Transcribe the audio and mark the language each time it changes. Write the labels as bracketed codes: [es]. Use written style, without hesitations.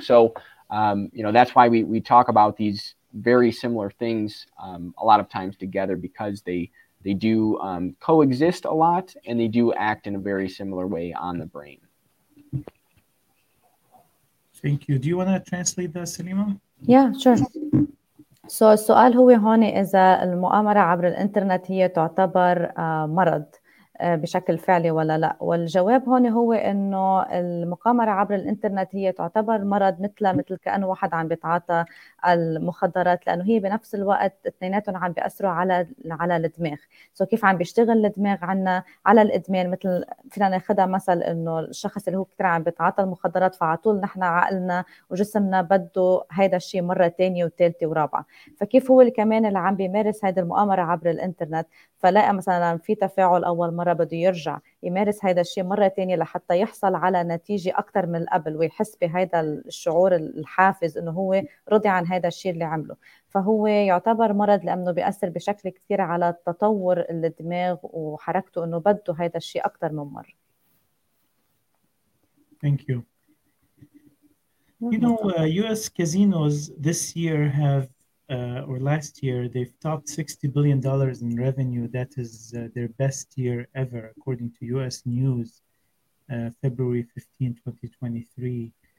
[en] So, you know, that's why we talk about these very similar things a lot of times together, because they do coexist a lot and they do act in a very similar way on the brain. Thank you. Do you want to translate that, Salima? Yeah, sure. So [ar] السؤال هو هون إذا المؤامرة عبر الإنترنت هي تعتبر مرض بشكل فعلي ولا لا؟ والجواب هون هو إنه المقامرة عبر الإنترنت هي تعتبر مرض مثل كأن واحد عم بيتعاطى المخدرات، لأنه هي بنفس الوقت اثنيناتهم عم بيأثروا على الدماغ. سو كيف عم بيشتغل الدماغ عنا على الإدمان؟ مثل فينا ناخدها مثل إنه الشخص اللي هو كتير عم بيتعاطى المخدرات، فعطول نحن عقلنا وجسمنا بده هيدا الشيء مرة تانية وتالتة ورابعة. فكيف هو اللي كمان اللي عم بيمارس هيدا المؤامرة عبر الإنترنت؟ فلاقي مثلا في تفاعل اول مره بده يرجع يمارس هيدا الشيء مره تانية لحتى يحصل على نتيجه اكثر من قبل ويحس بهيدا الشعور الحافز انه هو رضي عن هيدا الشيء اللي عمله. فهو يعتبر مرض لانه بياثر بشكل كثير على تطور الدماغ وحركته انه بده هيدا الشيء اكثر من مره. [en] Thank you. You know, US casinos this year have last year, they've topped $60 billion in revenue. That is their best year ever, according to U.S. News, February 15, 2023.